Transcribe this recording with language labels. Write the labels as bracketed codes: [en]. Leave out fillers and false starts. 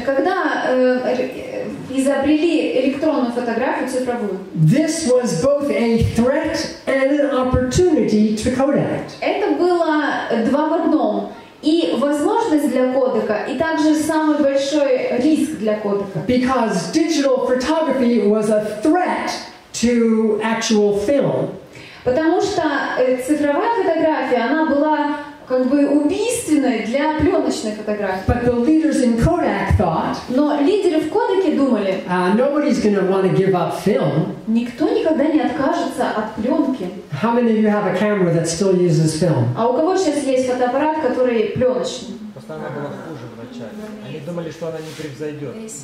[ru] Когда изобрели электронную фотографию цифровую. [en] This was both a threat and an opportunity to Kodak. [ru] Это было два в одном. И возможность для Кодека, и также самый большой риск для Кодека. [en] Because digital photography was a threat to actual film. [ru] Потому что цифровая фотография, она была как бы убийственной для пленочной фотографии. [en] But the leaders in Kodak thought, [ru] но лидеры в Кодеке думали, [en] nobody's gonna wanna give up film. [ru] Никто никогда не откажется от пленки. [en] How many of you have a camera that still uses film? [ru] А у кого сейчас есть фотоаппарат, который пленочный? Постановка была хуже в начале. Они думали, что она не превзойдет.